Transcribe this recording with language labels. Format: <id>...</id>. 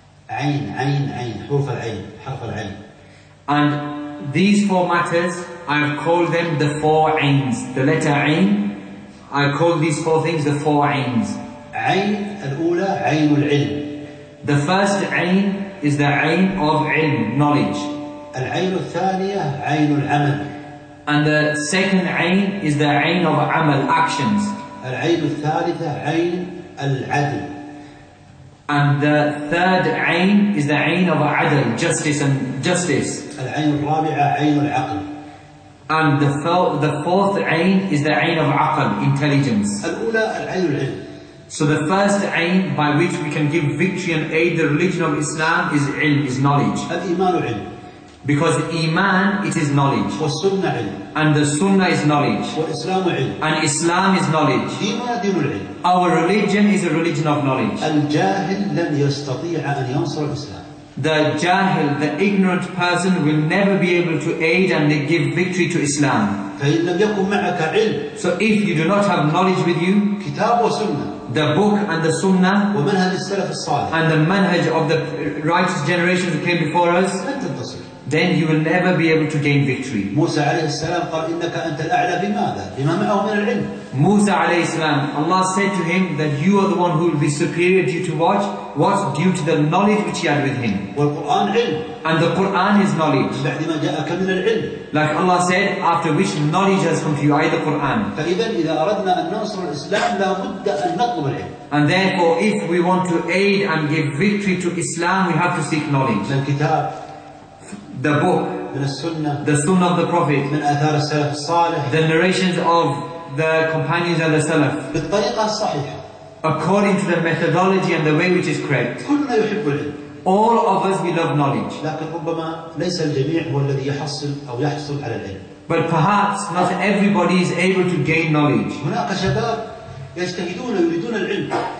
<ar>عين عين عين حرف العين حرف العين.</ar> <en>And these four matters, I've called them the four عينs. The letter عين, I call these four things the four عينs.</en> <ar>عين الأولى عين العلم.</ar> <en>The first عين is the عين of علم, knowledge.</en> <ar>العين الثانية عين العمل.</ar> <en>And the second عين is the عين of عمل, actions.</en> <ar>العين الثالثة عين العدل.</ar> <en>And the third عين is the عين of عدل, justice and justice.</en> <ar>العين الرابعة عين العقل.</ar> <en>And the fourth عين is the عين of عقل, intelligence.</en> <ar>الأولى العين العلم.</ar> <en>So the first عين by which we can give victory and aid the religion of Islam is علم, is knowledge.</en> <ar>الإيمان علم.</ar> <en>Because Iman, it is knowledge.</en> <ar>والسنة علم.</ar> <en>And the Sunnah is knowledge.</en> <ar>والإسلام علم.</ar> <en>And Islam is knowledge.</en> <ar>ديننا دين العلم.</ar> <en>Our religion is a religion of knowledge.</en> <ar>الجاهل لن يستطيع أن ينصر الإسلام.</ar> <en>The jahil, the ignorant person, will never be able to aid and give victory to Islam.</en> <ar>فإن لم يكن معك علم.</ar> <en>So if you do not have knowledge with you,</en> <ar>كتاب وسنة.</ar> <en>The book and the Sunnah.</en> <ar>ومنهج السلف الصالح.</ar> <en>And the manhaj of the righteous generations who came before us.</en> <ar>لن تنتصر.</ar> <en>then you will never be able to gain victory.</en> <ar>Musa alayhi salam قال إنك أنت الأعلى بماذا؟ بما معه من العلم.</ar> <en>Musa alayhi salam, Allah said to him that you are the one who will be superior due to what? What's due to the knowledge which he had with him.</en> <ar>والقرآن علم.</ar> <en>And the Quran is knowledge.</en> <ar>بعد ما جاءك من العلم.</ar> <en>Like Allah said, after which knowledge has come to you, either Quran.</en> <ar>فإذا إذا أردنا أن ننصر الإسلام لا بد أن نطلب العلم.</ar> <en>And therefore, if we want to aid and give victory to Islam, we have to seek knowledge.</en> <ar>من الكتاب.</ar> <en>The book.</en> <ar>من السنة.</ar> <en>The Sunnah of the Prophet.</en> <ar>من آثار السلف الصالح.</ar> <en>The narrations of the companions of the Salaf.</en> <ar>بالطريقة الصحيحة.</ar> <en>According to the methodology and the way which is correct.</en> <ar>كلنا يحب العلم.</ar> <en>All of us, we love knowledge.</en> <ar>لكن ربما ليس الجميع هو الذي يحصل أو يحصل على العلم.</ar> <en>But perhaps not everybody is able to gain knowledge.</en> <ar>هناك شباب يجتهدون يريدون العلم.</ar>